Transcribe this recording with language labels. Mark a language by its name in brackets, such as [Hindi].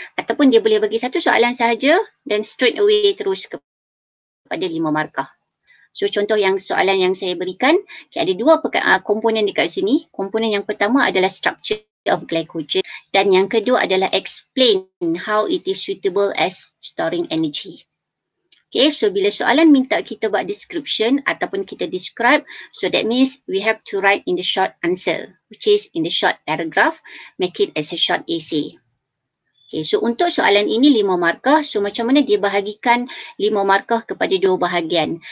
[Malay] Ataupun dia boleh bagi satu soalan sahaja dan [English] straight away [Malay] terus kepada 5 markah. So contoh yang soalan yang saya berikan, okay, ada dua komponen dekat sini. Komponen yang pertama adalah [English] structure of glycogen [Malay] dan yang kedua adalah [English] explain how it is suitable as storing energy. Okay, [Malay] so bila soalan minta kita buat [English] description [Malay] ataupun kita [English] describe, so that means we have to write in the short answer, which is in the short paragraph, make it as a short essay. [Malay] Okay, so untuk soalan ini 5 markah, so macam mana dia bahagikan 5 markah kepada 2 bahagian.